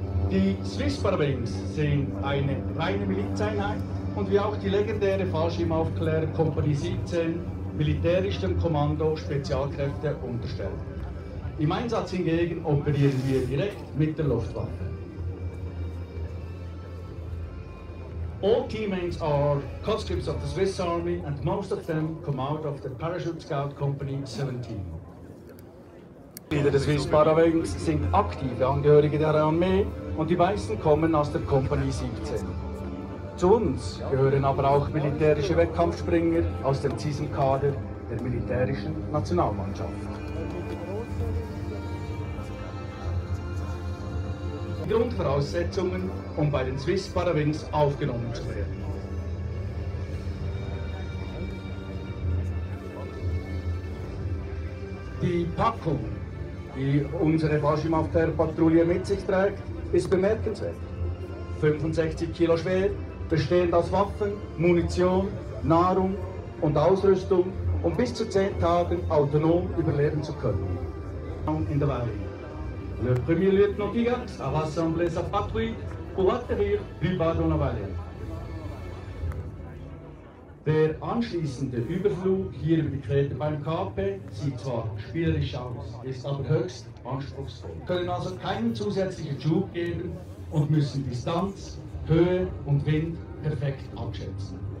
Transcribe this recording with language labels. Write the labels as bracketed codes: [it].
[de] Die Swiss Paravings sind eine reine Milizeinheit und wie auch die legendäre Fallschirmaufklärer Kompanie 17 militärisch dem Kommando Spezialkräfte unterstellt. Im Einsatz hingegen operieren wir direkt mit der Luftwaffe. [en] All teammates are conscripts of the Swiss Army, and most of them come out of the Parachute Scout Company 17. [de] Viele der Swiss Paravings sind aktive Angehörige der Armee und die meisten kommen aus der Kompanie 17. Zu uns gehören aber auch militärische Wettkampfspringer aus dem Zisenkader der militärischen Nationalmannschaft. Grundvoraussetzungen, um bei den Swiss Paravings aufgenommen zu werden. Die Packung, die unsere Faschimaufklärpatrouille mit sich trägt, ist bemerkenswert. 65 Kilo schwer, bestehend aus Waffen, Munition, Nahrung und Ausrüstung, um bis zu 10 Tagen autonom überleben zu können. In der Valley. [fr] Le premier lieutenant Gigax à rassembler sa patrouille pour atterrir plus bas dans la Valley. [de] Der anschließende Überflug hier über die Kräte beim Kape sieht zwar spielerisch aus, ist aber höchst anspruchsvoll. Wir können also keinen zusätzlichen Schub geben und müssen Distanz, Höhe und Wind perfekt abschätzen.